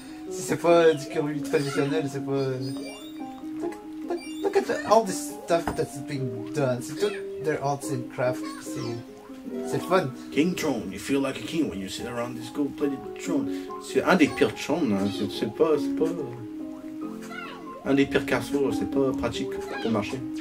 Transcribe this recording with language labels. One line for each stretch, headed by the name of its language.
French: Si c'est pas du Kirby traditionnel, c'est pas...
English: Look at all this stuff that's being done.
French: C'est tout
English: their arts and crafts. C'est fun. King Throne, you feel like a king when you sit around this gold plated throne.
French: C'est un des pires trônes. C'est pas... Un des pires carrefours, c'est pas pratique pour marcher.